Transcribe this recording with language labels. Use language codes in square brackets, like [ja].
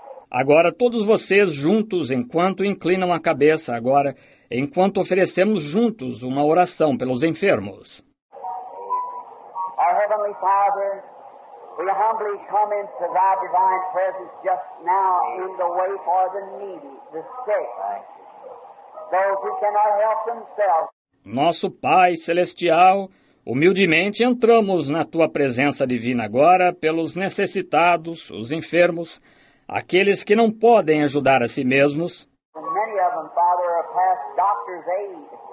[pt] Agora todos vocês juntos, enquanto inclinam a cabeça agora, enquanto oferecemos juntos uma oração pelos enfermos. [en] Our Heavenly Father, we humbly come into thy divine presence just now in the way for the needy, the sick. Those who cannot help themselves. [pt] Nosso Pai Celestial, humildemente entramos na tua presença divina agora pelos necessitados, os enfermos, aqueles que não podem ajudar a si mesmos. [en] Many of them, Father, are past doctor's aid.